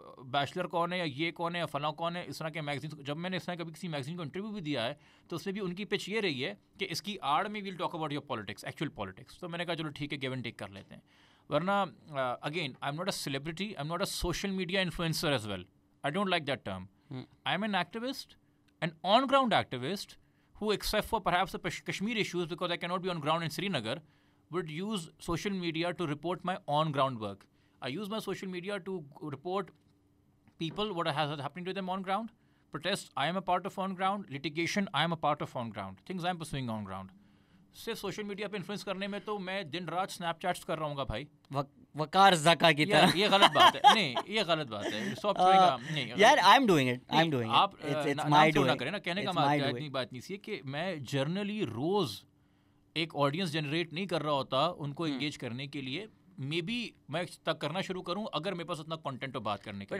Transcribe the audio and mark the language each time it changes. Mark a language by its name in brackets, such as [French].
[Urdu] Bachelor کون ہے یا یہ کون ہے یا فلاں کون ہے، اس طرح کے میگزین۔ جب میں نے اس طرح کبھی کسی میگزین کو انٹرویو بھی دیا ہے تو اس میں بھی ان کی پچ یہ رہی ہے کہ اس کی آڑ میں [English] We'll talk about your politics, actual politics. [Urdu] تو میں نے کہا چلو ٹھیک ہے، [English] give and take [Urdu] کر لیتے ہیں۔ ورنہ [English] Again I'm not a celebrity, I'm not a social media influencer as well, I don't like that term. I'm an activist, an on ground activist who except for perhaps the Kashmir issues, because I cannot be on ground in Srinagar, would use social media to report my on ground work. I use my social media to report people, what has happening to them on ground, protests I am a part of on ground, litigation I am a part of on ground, things I am pursuing on ground. [Urdu] صرف social media پہ influence کرنے میں تو میں دن رات snap chats کر رہا ہوں گا بھائی، وقار زکا کی طرح۔ یہ غلط بات ہے، نہیں یہ غلط بات ہے، سب چھوڑے گا نہیں [English] یار، I'm doing it, I'm doing it. آپ it's my doing [Urdu] نہ کریں نا، کہنے کا مطلب اتنی بات نہیں سی کہ میں جرنلی روز ایک آڈینس جنریٹ نہیں کر رہا ہوتا ان کو انگیج کرنے کے لیے، مے بی میں تک کرنا شروع کروں اگر میرے پاس اتنا کانٹینٹ ہو بات کرنے کا۔